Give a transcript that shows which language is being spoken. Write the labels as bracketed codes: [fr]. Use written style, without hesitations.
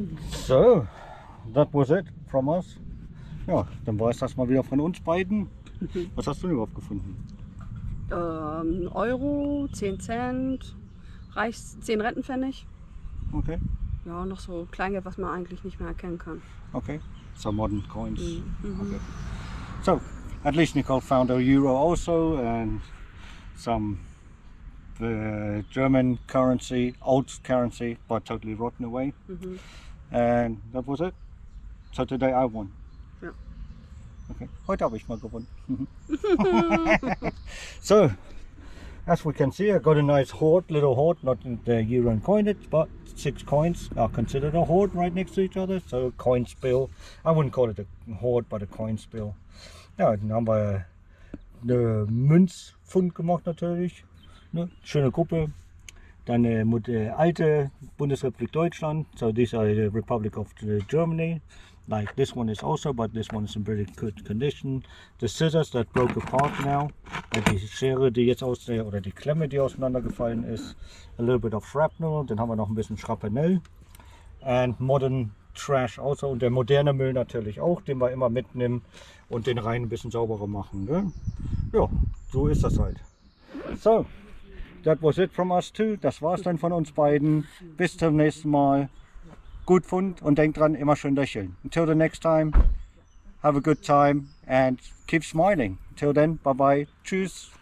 [en] So, that was it from us. [de] Ja, dann war es das mal wieder von uns beiden. Was hast du denn überhaupt gefunden? Euro, 10 Cent, reicht 10 Rentenpfennig. Okay. Ja, noch so Kleingeld, was man eigentlich nicht mehr erkennen kann. [en] Okay, some modern coins. Mm-hmm. Okay. So, at least Nicole found a euro also and some the German currency, old currency, but totally rotten away. Mm-hmm. And that was it. So today I won. [de] Okay, heute habe ich mal gewonnen. [en] So, as we can see, I got a nice hoard, little hoard, not the euro and coinage, but 6 coins are considered a hoard right next to each other. So, coin spill. I wouldn't call it a hoard, but a coin spill. [de] Ja, dann haben wir eine Münzfund gemacht natürlich. Ne? Schöne Gruppe. Dann mit der alte Bundesrepublik Deutschland. [en] So, these are the Republic of Germany. Like this one is also, but this one is in pretty good condition. The scissors that broke apart now, [de] die Schere, die jetzt aus der, oder die Klemme, die auseinandergefallen ist. [en] A little bit of shrapnel, [de] dann haben wir noch ein bisschen Schrapnell. [en] And modern trash also, [de] und der moderne Müll natürlich auch, den wir immer mitnehmen und den Rhein ein bisschen sauberer machen. Ne? Ja, so ist das halt. [en] So, that was it from us too. [de] Das war's dann von uns beiden. Bis zum nächsten Mal. Gut Fund und denkt dran, immer schön lächeln. [en] Until the next time, have a good time and keep smiling. Until then, bye bye. Tschüss.